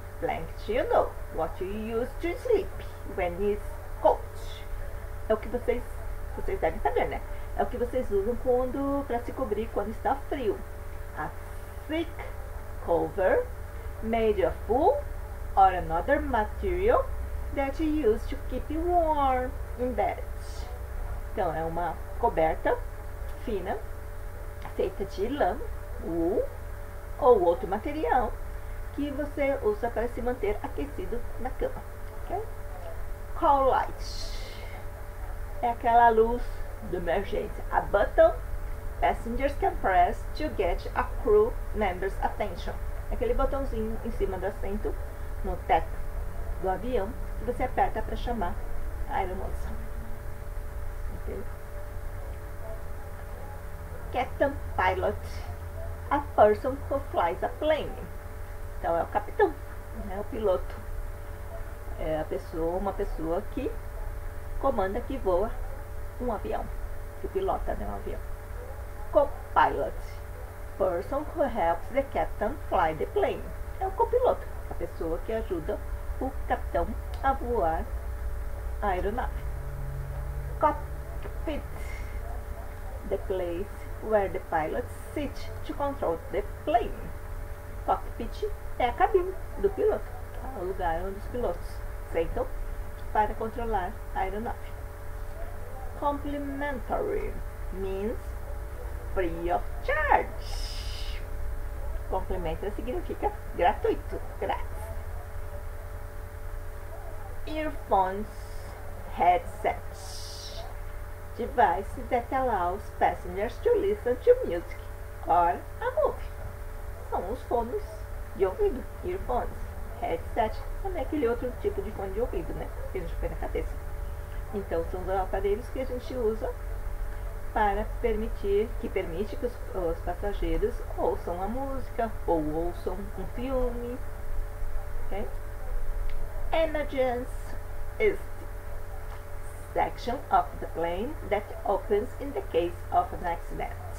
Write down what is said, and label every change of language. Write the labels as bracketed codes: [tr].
[en] Blanket, you know, what you use to sleep when it's cold. [pt] É o que vocês devem saber, né? É o que vocês usam quando para se cobrir quando está frio. [en] A thick cover made of wool or another material that you use to keep warm in bed. [pt] Então é uma coberta fina feita de lã, wool ou outro material que você usa para se manter aquecido na cama. [en] Okay? Call light [pt] é aquela luz de emergência, [en] a button passengers can press to get a crew member's attention. [pt] Aquele botãozinho em cima do assento, no teto do avião, que você aperta para chamar a aeromoça. [en] Captain pilot, a person who flies a plane. [pt] Então é o capitão, né? O piloto. É uma pessoa que comanda, que voa um avião, que pilota, né, um avião. [en] Co-pilot, person who helps the captain fly the plane. [pt] É o copiloto, a pessoa que ajuda o capitão a voar a aeronave. [en] Cockpit, the place where the pilot sits to control the plane. [pt] Cockpit é a cabine do piloto, o lugar onde os pilotos sentam para controlar a aeronave. [en] Complimentary means free of charge. [pt] Complementary significa gratuito, grátis. [en] Earphones, headsets. Devices that allow passengers to listen to music or a movie. [pt] São os fones de ouvido, earphones. Headset também é aquele outro tipo de fone de ouvido, né? Que a gente põe na cabeça. Então, são os aparelhos que a gente usa para permitir, que permite que os passageiros ouçam a música ou ouçam um filme. [en] Okay? Emergency is section of the plane that opens in the case of an accident.